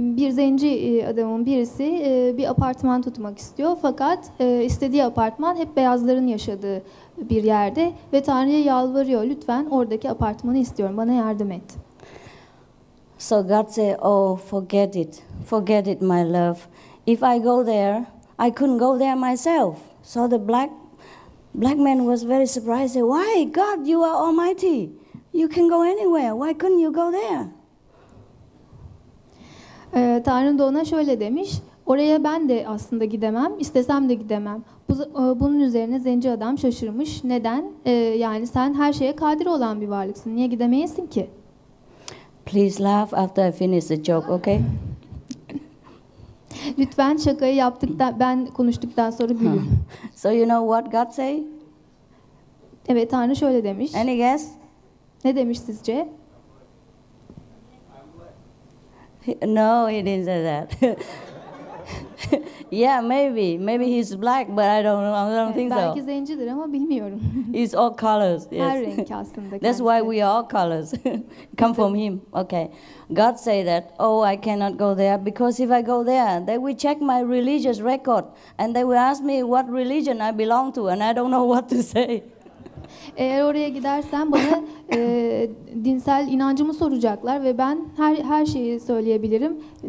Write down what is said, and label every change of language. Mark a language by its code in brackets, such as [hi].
[tr] Zenci adamın birisi bir apartman tutmak istiyor. Fakat istediği apartman hep beyazların yaşadığı bir yerde. Ve Tanrı'ya yalvarıyor, lütfen oradaki apartmanı istiyorum, bana yardım et. [en] So God say, oh forget it, forget it my love. If I go there, I couldn't go there myself. So the black man was very surprised. Why, God, you are almighty. You can go anywhere. Why couldn't you go there? [tr] Tanrı da ona şöyle demiş. Oraya ben de aslında gidemem, istesem de gidemem. Bunun üzerine zenci adam şaşırmış. Neden? Yani sen her şeye kadir olan bir varlıksın. Niye gidemeyesin ki? [en] Please laugh after I finish the joke, okay? [tr] Lütfen şakayı yaptıktan, ben konuştuktan sonra gülün. [en] So you know what God say? [tr] Evet, Tanrı şöyle demiş. [en] Any guess? [tr] Ne demiş sizce? [en] No, he didn't say that. Yeah, maybe he's black, but I don't think so. [tr] Belki zencidir ama bilmiyorum. [en] He's all colors. Yes. [tr] Her renk aslında. [en] That's why we are all colors. Come from him. Okay. God say that, oh, I cannot go there because if I go there, they will check my religious record and they will ask me what religion I belong to and I don't know what to say. [tr] Eğer oraya gidersem bana dinsel inancımı soracaklar ve ben her şeyi söyleyebilirim.